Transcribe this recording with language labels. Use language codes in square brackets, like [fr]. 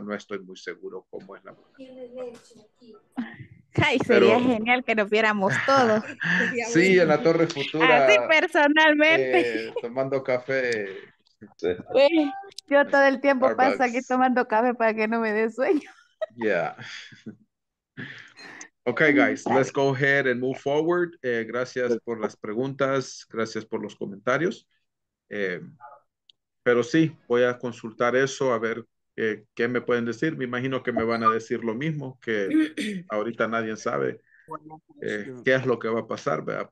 [es] No estoy muy seguro cómo es la manera. Ay, sería genial que nos viéramos todos. Sí, en la Torre Futura. Así personalmente. Tomando café. Bueno, yo todo el tiempo paso aquí tomando café para que no me dé sueño. Yeah. [en] Okay, guys, let's go ahead and move forward. [es] Gracias por las preguntas, gracias por los comentarios. Pero sí, voy a consultar eso a ver qué me pueden decir. Me imagino que me van a decir lo mismo, que ahorita nadie sabe qué es lo que va a pasar, ¿verdad?